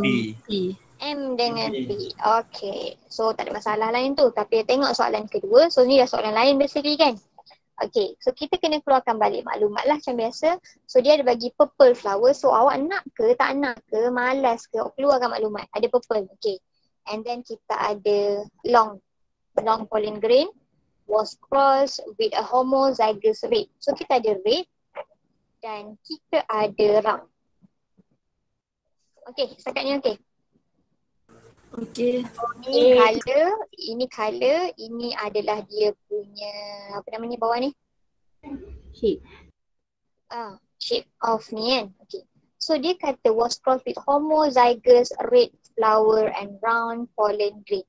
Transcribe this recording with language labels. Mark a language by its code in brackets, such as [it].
[ms] E. M dengan P. Okay. So tak ada masalah lain tu. Tapi tengok soalan kedua. So ni dah soalan lain basically kan? Okay, so kita kena keluarkan balik maklumat lah macam biasa. So dia ada bagi purple flower. So awak nak ke tak nak ke, malas ke, awak keluarkan maklumat. Ada purple, okay. [en] And then [ms] kita ada long. [en] Long pollen grain was crossed with a homozygous red. [ms] So kita ada red dan kita ada round. Okay, setakat ni okay. Okay. Ini color, ini color, ini adalah dia punya apa namanya bawah ni? [en] Shape. Shape of [ms] ni kan. Okay. So dia kata [en] was crossed with homozygous red flower and round pollen grain.